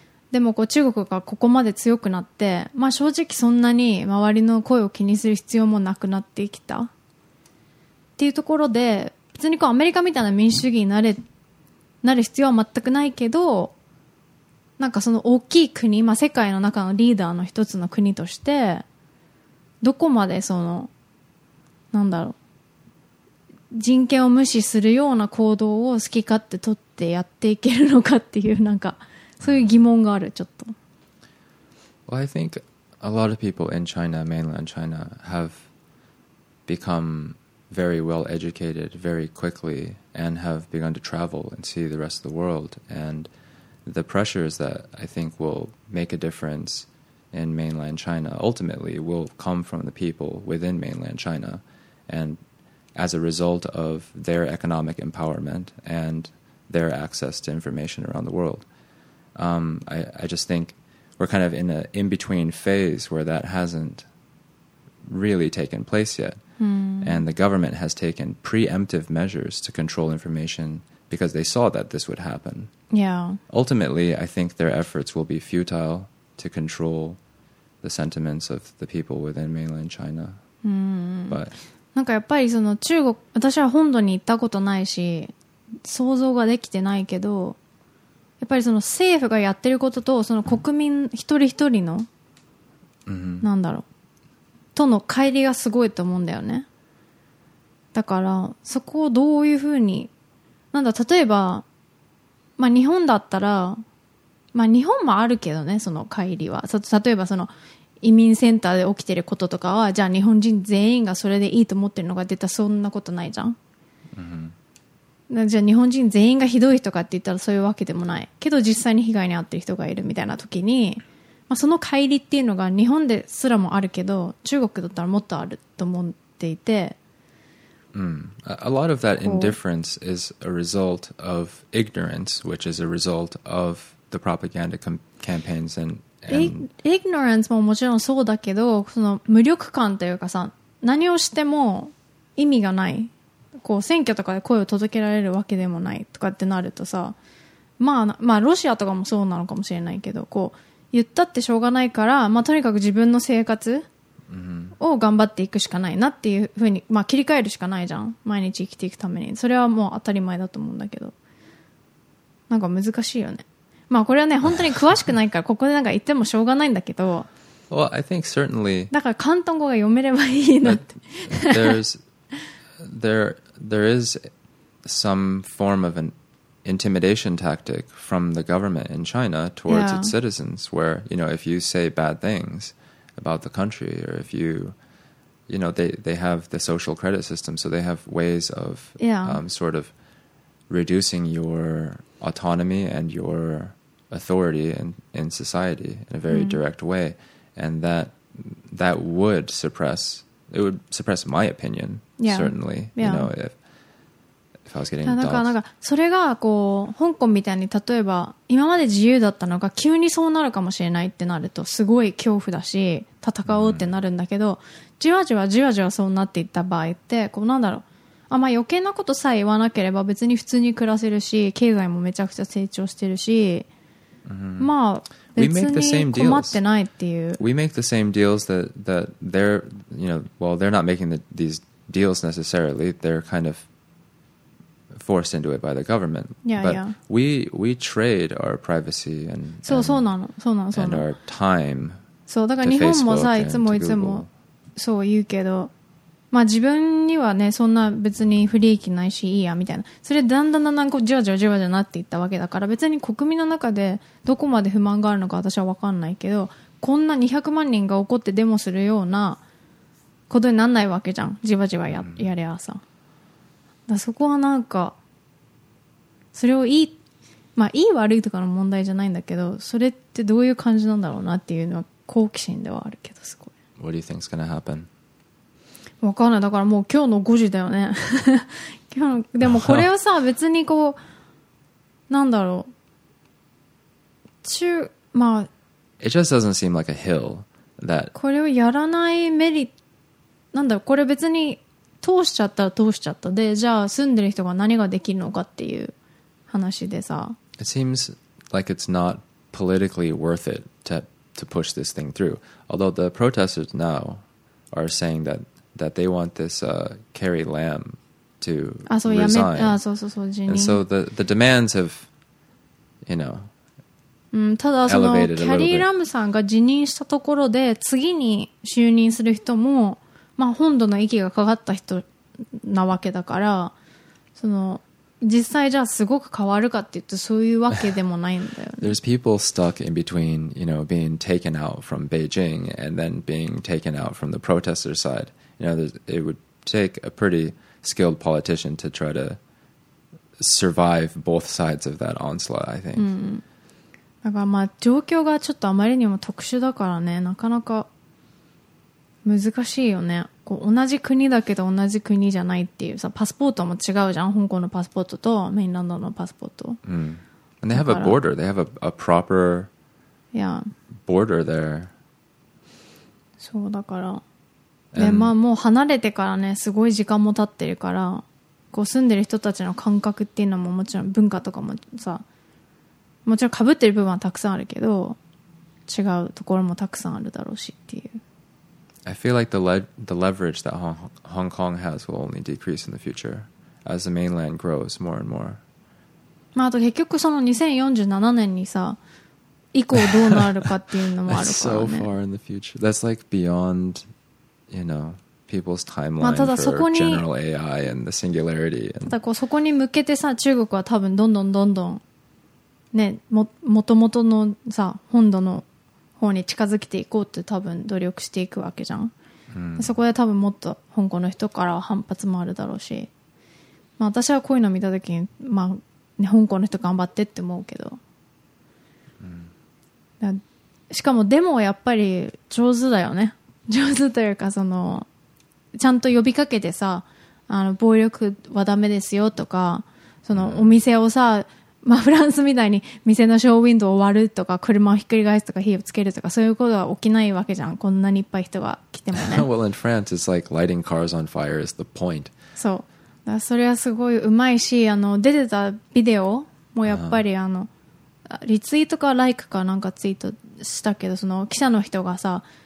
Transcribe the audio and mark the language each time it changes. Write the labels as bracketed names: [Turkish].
[Japanese] でもこう中国がここまで強くなって、まあ、正直そんなに周りの声を気にする必要もなくなってきたっていうところで、別にこうアメリカみたいな民主主義になる必要は全くないけど、なんかその大きい国、まあ、世界の中のリーダーの一つの国として、どこまでそのなんだろう、人権を無視するような行動を好き勝手取ってやっていけるのかっていう、なんかそういう疑問がある、ちょっと。 [English] Well, I think a lot of people in China, mainland China, have become very well educated very quickly and have begun to travel and see the rest of the world. And the pressures that I think will make a difference in mainland China ultimately will come from the people within mainland China. And as a result of their economic empowerment and their access to information around the world. I just think we're kind of in an in-between phase where that hasn't really taken place yet. And the government has taken preemptive measures to control information because they saw that this would happen. Yeah. Ultimately, I think their efforts will be futile to control the sentiments of the people within mainland China. But... [Japanese] なんかやっぱりその中国、私は本土に行ったことないし想像ができてないけど、やっぱりその政府がやってることとその国民一人一人の、 mm-hmm. なんだろうとの乖離がすごいと思うんだよね。だからそこをどういうふうになんだ、例えば、まあ、日本だったら、まあ、日本もあるけどね、その乖離は。例えばその移民センターで起きてることとかは、じゃあ日本人全員がそれでいいと思ってるのかって言ったらそんなことないじゃん、うん、じゃあ日本人全員がひどい人かって言ったらそういうわけでもないけど、実際に被害に遭ってる人がいるみたいな時に、まあ、その乖離っていうのが日本ですらもあるけど中国だったらもっとあると思っていて、 [English] うん、A lot of that indifference is a result of ignorance, which is a result of the propaganda campaigns and [Japanese] ignorance ももちろんそうだけど、その無力感というかさ、何をしても意味がない、こう選挙とかで声を届けられるわけでもないとかってなるとさ、まあ、まあロシアとかもそうなのかもしれないけど、こう言ったってしょうがないから、まあ、とにかく自分の生活を頑張っていくしかないなっていうふうに、まあ、切り替えるしかないじゃん、毎日生きていくために。それはもう当たり前だと思うんだけど、なんか難しいよね。まあこれはね、本当に詳しくないからここでなんか言ってもしょうがないんだけど、 [English] well, I think certainly, [Japanese] だから広東語が読めればいいなって [English] there is some form of an intimidation tactic from the government in China towards、yeah. its citizens, where you know, if you say bad things about the country, or if you, you know, they have the social credit system, so they have ways of、 yeah. Sort of reducing your autonomy and yourauthority in society in a very、mm. direct way, and that would suppress, it would suppress my opinion、 yeah. certainly、 yeah. you know, if I was getting [Japanese] だからなんかそれがこう香港みたいに、例えば今まで自由だったのが急にそうなるかもしれないってなるとすごい恐怖だし戦おうってなるんだけど、じわじわじわじわそうなっていった場合って、こうなんだろう、あ、まあ、余計なことさえ言わなければ別に普通に暮らせるし、経済もめちゃくちゃ成長してるし、まあ、 [English] we make the same deals. [Japanese] 困ってないっていう。 [English] We make the same deals that they're, you know, well, they're not making these deals necessarily. They're kind of forced into it by the government. Yeah, but yeah. We trade our privacy and, [Japanese] そう、そうなの、そうなの、そうなの。 [English] And our time. [Japanese] そう、だから日本もさ、いつもいつもそう言うけど、まあ自分にはね、そんな別に不利益ないしいいやみたいな、それだんだんだんだんこうじわじわじわじわなっていったわけだから、別に国民の中でどこまで不満があるのか私は分かんないけど、こんな200万人が怒ってデモするようなことになんないわけじゃん、じわじわ やりゃさ。だそこはなんかそれをいい、まあいい悪いとかの問題じゃないんだけど、それってどういう感じなんだろうなっていうのは好奇心ではあるけど、すごい。 [English] What do you think is going to happen? [Japanese] わかんない。だからもう今日の5時だよね。今日の、でもこれはさ、別にこう、なんだろう。中、まあ。 [English] It just doesn't seem like a hill that. [Japanese] これをやらないメリット、なんだろう、これ別に通しちゃったら通しちゃった。で、じゃあ住んでる人が何ができるのかっていう話でさ。 [English] It seems like it's not politically worth it to push this thing through. Although the protesters now are saying that they want this Carrie Lam to resign. Ah, so, yeah, so, and so the demands have, you know, elevated a little bit. [Japanese] But Carrie Lam さんが辞任したところで、次に就任する人も、まあ、本土の息がかかった人なわけだから、その実際じゃあすごく変わるかって言って、そういうわけでもないんだよね。 [English] There's people stuck in between, you know, being taken out from Beijing and then being taken out from the protester side. You know, it would take a pretty skilled politician to try to survive both sides of that onslaught, I think. [Japanese] だからまあ状況がちょっとあまりにも特殊だからね、なかなか難しいよね。こう同じ国だけど同じ国じゃないっていうさ、パスポートも違うじゃん、香港のパスポートとメインランドのパスポート。う [English] ん。And they have a border. They have a proper border there. [Japanese] そうだから。で、まあもう離れてからね、すごい時間も経ってるから、こう住んでる人たちの感覚っていうのももちろん文化とかもさ、もちろん被ってる部分はたくさんあるけど、違うところもたくさんあるだろうしっていう。 [English] I feel like the leverage that Hong Kong has will only decrease in the future as the mainland grows more and more. [Japanese] まああと結局その2047年にさ、以降どうなるかっていうのもあるからね。 [English] That's so far in the future. That's like beyond, you know, people's timeline for general AI and the singularity. [Japanese] ただこうそこに向けてさ、中国は多分どんどんどんどんね、もともとのさ本土の方に近づけていこうって多分努力していくわけじゃん、うん、そこで多分もっと香港の人からは反発もあるだろうし、まあ、私はこういうの見た時に、まあね、香港の人頑張ってって思うけど、うん、しかもデモはやっぱり上手だよね。上手というかそのちゃんと呼びかけてさ、あの暴力はダメですよとか、そのお店をさ、うん、まあ、フランスみたいに店のショーウィンドウを割るとか車をひっくり返すとか火をつけるとかそういうことは起きないわけじゃん、こんなにいっぱい人が来てもね。 [English] Well, in France, it's like lighting cars on fire is the point. [Japanese] そう、だからそれはすごい上手いし、あの出てたビデオもやっぱりあの、リツイートかライクかなんかツイートしたけど、その記者の人がさ